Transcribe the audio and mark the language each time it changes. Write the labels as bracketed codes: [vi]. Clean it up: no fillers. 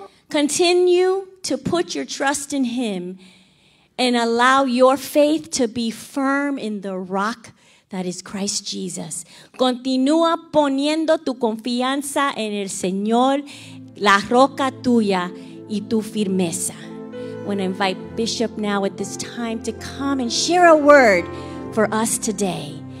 [en] Continue to put your trust in Him and allow your faith to be firm in the rock that is Christ Jesus. [es] Continúa poniendo tu confianza en el Señor, la roca tuya y tu firmeza. [en] I want to invite Bishop now at this time to come and share a word for us today.